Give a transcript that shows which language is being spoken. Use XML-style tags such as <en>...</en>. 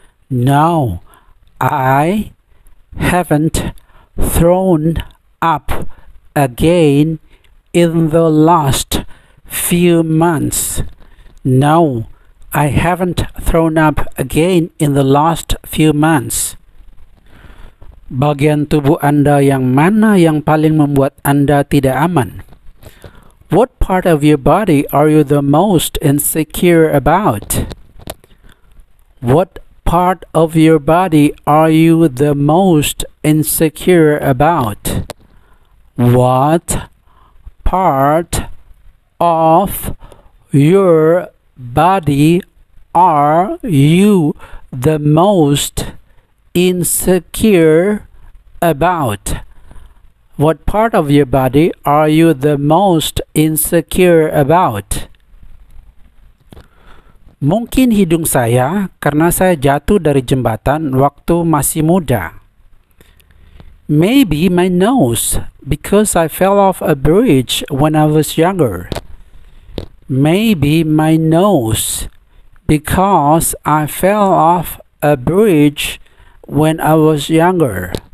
<en>No, I haven't thrown up again in the last few months. No, I haven't thrown up again in the last few months.</en> <id>Bagian tubuh Anda yang mana yang paling membuat Anda tidak aman?</id> <en>What part of your body are you the most insecure about? What part of your body are you the most insecure about? What part of your body are you the most insecure about? What part of your body are you the most insecure about?</en> <id>Mungkin hidung saya karena saya jatuh dari jembatan waktu masih muda.</id> <en>Maybe my nose because I fell off a bridge when I was younger. Maybe my nose because I fell off a bridge when I was younger.</en>